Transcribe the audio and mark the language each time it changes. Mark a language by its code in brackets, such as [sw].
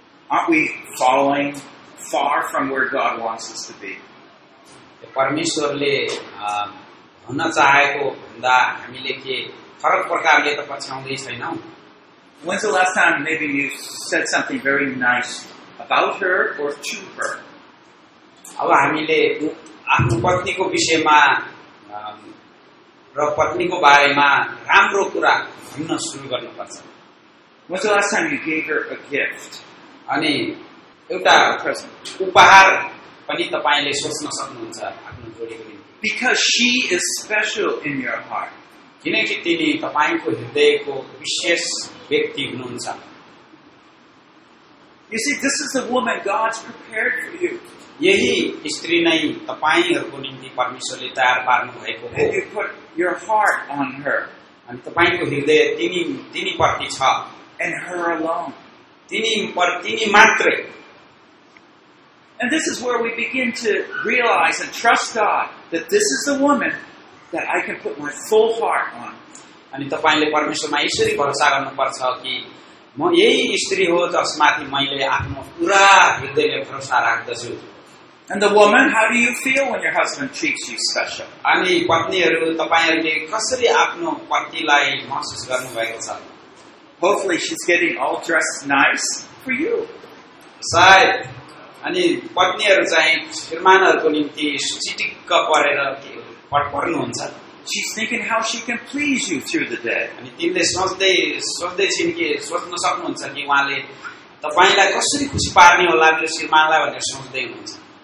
[en] aren't we falling far from where God wants us to be? [ne] परमेश्वरले हुन चाहेको भन्दा हामीले के फरक प्रकारले त पछ्याउँदै छैनौ. [en] When's the last time maybe you said something very nice about her or to her? [ne] अब हामीले आफ्नो पत्नीको विषयमा र पत्नीको बारेमा राम्रो कुरा भन्न सुरु गर्नुपर्छ. अनि एउटा उपहार पनि तपाईँले सोच्न सक्नुहुन्छ आफ्नो जोडीको निम्ति. [en] Because she is special in your heart. [ne] किनकि तिनी तपाईँको हृदयको विशेष व्यक्ति हुनुहुन्छ. [en] You see, this is the woman God's prepared for you. [ne] यही स्त्री नै तपाईँहरूको निम्ति परमेश्वरले तयार पार्नु भएको हो. [en] You put your heart on her. [ne] अनि तपाईँको हृदय तिनी प्रति छ. [en] And her alone. [ne] तिनी मात्रै. [en] And this is where we begin to realize and trust God that this is the woman that I can put my full heart on. [ne] अनि तपाईले परमेश्वरमा यसरी भरोसा गर्नुपर्छ कि म यही स्त्री हो जसमाथि मैले आफ्नो पुरा हृदयले भरोसा राख्दछु. [en] And the woman, how do you feel when your husband treats you special? [ne] अनि पत्नीहरु तपाईहरुले कसरी आफ्नो पतिलाई महसुस गर्नुभएको छ? [en] Hopefully she's getting all dressed nice for you. [ne] सायद अनि पत्नीहरु चाहिँ श्रीमानहरुको निम्ति सुचिटिक्क परेर पर्नुहुन्छ. [en] She's thinking how she can please you through the day. [ne] अनि तिनले सोच्दै छिन् कि सोच्न सक्नुहुन्छ कि उहाँले तपाईँलाई कसरी खुसी पार्ने होला मेरो श्रीमानलाई भनेर सोच्दै हुनुहुन्छ.